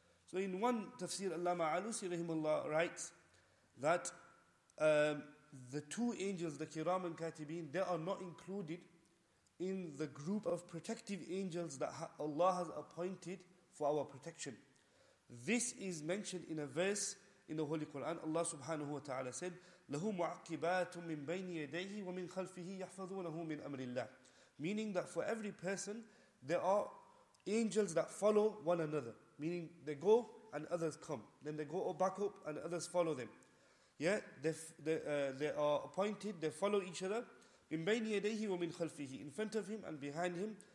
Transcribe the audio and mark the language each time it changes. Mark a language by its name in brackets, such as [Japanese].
[English] So in one tafsir, Allama Alusi rahimullah writes that the two angels, the Kiram and Katibin, they are not included in the group of protective angels that Allah has appointed for our protection. This is mentioned in a verse in the Holy Quran. Allah subhanahu wa ta'ala said, [Arabic] لَهُ مُعَقِّبَاتٌ مِّن بَيْنِ يَدَيْهِ وَمِن خَلْفِهِ يَحْفَظُونَهُ مِّنْ أَمْرِ اللَّهِ. [English] Meaning that for every person, there are angels that follow one another. Meaning they go and others come. Then they go back up and others follow them. Yeah, they are appointed, they follow each other. [Arabic] مِنْ بَيْنِ يَدَيْهِ وَمِنْ خَلْفِهِ. [English] In front of him and behind him.